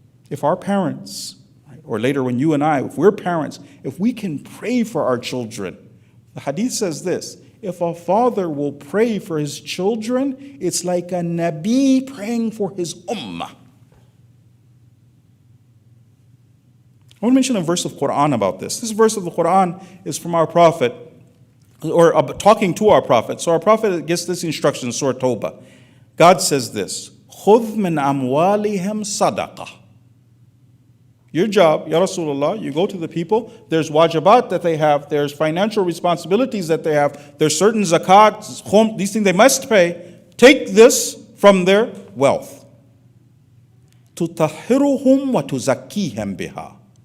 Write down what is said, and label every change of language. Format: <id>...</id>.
<en>If our parents, or later when you and I, if we're parents, if we can pray for our children, the hadith says this, if a father will pray for his children, it's like a nabi praying for his ummah. I want to mention a verse of Quran about this. This verse of the Quran is from our prophet, or talking to our Prophet. So our Prophet gets this instruction in Surah Tawbah. God says this,</en> <ar>خُذْ مِنْ أَمْوَالِهِمْ صَدَقَةً.</ar> <en>Your job, Ya Rasulullah, you go to the people, there's wajibat that they have, there's financial responsibilities that they have, there's certain zakat, khum, these things they must pay. Take this from their wealth.</en> <ar>تُطَهِّرُهُمْ وَتُزَكِّيهِمْ بِهَا.</ar>